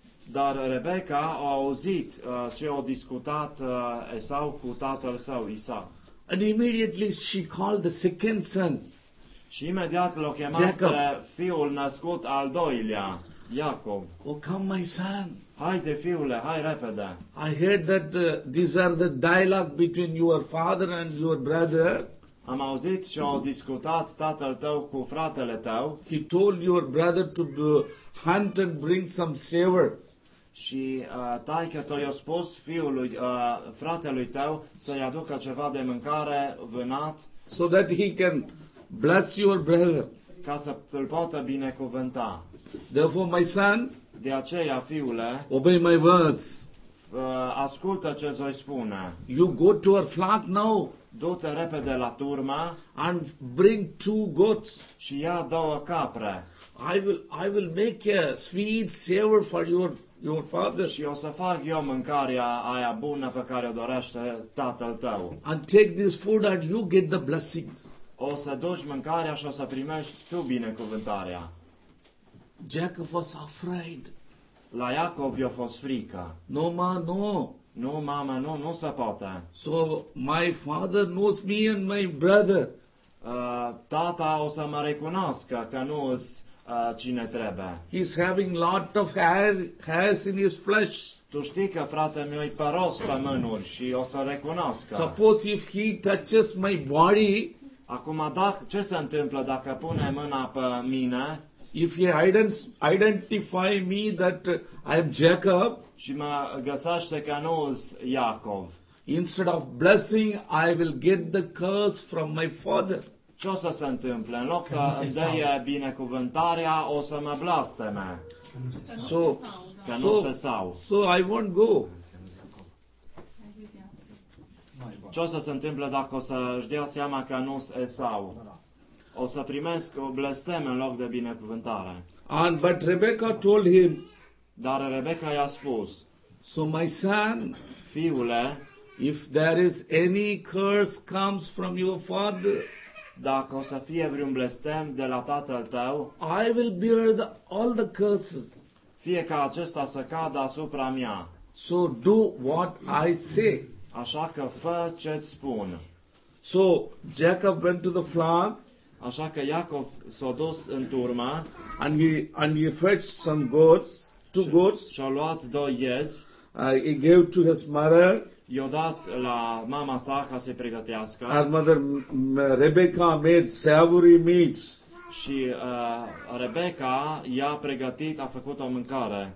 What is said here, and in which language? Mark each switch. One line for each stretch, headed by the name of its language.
Romanian: Dar Rebecca a auzit ce a discutat Esau cu tatăl său, Isaac.
English: And immediately she called the second son.
Romanian: Și imediat l-a chemat Jacob. Pe fiul născut al doilea, Iacov.
English: Oh, come my son.
Romanian: Haide, fiule, hai repede.
English: I heard that these were the dialogue between your father and your brother.
Romanian: Am auzit ce au discutat tatăl tău cu fratele tău.
English: He told your brother to hunt and bring some silver.
Romanian: Și taică tău i-a spus fiului, fratelui tău să-i aducă ceva de mâncare vânat.
English: So that he can bless your brother.
Romanian: Ca să îl poată binecuvânta.
English: Therefore, my son,
Romanian: de aceea, fiule,
English: obey my words.
Romanian: Ascultă ce zoi spune.
English: You go to our flock now.
Romanian: Du-te repede la turma
English: and bring two goats.
Romanian: Și ia două capre.
English: I will make a sweet savor for your father.
Romanian: Și o să fac eu mâncarea aia bună pe care o dorește tatăl tău.
English: And take this food and you get the blessings.
Romanian: O să duci mâncarea și o să primești tu binecuvântarea.
English: Jacob was afraid.
Romanian: La Iacov i-a fost frică.
English: No, ma, no.
Romanian: Nu, mama, nu, nu se poate.
English: So, my father knows me and my brother.
Romanian: Tata o să mă recunoască că nu sunt cine trebuie.
English: He's having lot of hairs in his flesh.
Romanian: Tu știi că frate meu e păros pe mânuri și o să recunoască.
English: Suppose if he touches my body.
Romanian: Acum, ce se întâmplă dacă pune mâna pe mine?
English: If he identify me that I am Jacob,
Romanian: și mă găsește că nu sunt Iacov,
English: instead of blessing, I will get the curse from my father.
Romanian: Ce o să se întâmple? În loc să îmi dea binecuvântarea, o să mă blasteme. Că nu se sau.
English: So I won't go.
Romanian: Ce o să se întâmple dacă o să-și dea seama că nu sunt Esau? O să primesc o blesteme în loc de binecuvântare.
English: And but Rebecca told him.
Romanian: Dar Rebecca i-a spus.
English: So my son,
Romanian: fiule,
English: if there is any curse comes from your father,
Romanian: dacă o să fie vreun blestem de la tatăl tău,
English: I will bear all the curses.
Romanian: Fie ca acesta să cadă asupra mea.
English: So do what I say.
Romanian: Așa că fă ce îți spun.
English: So Jacob went to the flock.
Romanian: Așa că Iacov s-a dus în turma
English: and he fetched some goats, two goats.
Romanian: Și-a luat două iezi.
English: He gave to his mother.
Romanian: I-a dat la mama sa ca să-i pregătească.
English: Her mother Rebecca made savory meats.
Romanian: Și Rebecca i-a pregătit, a făcut o mâncare.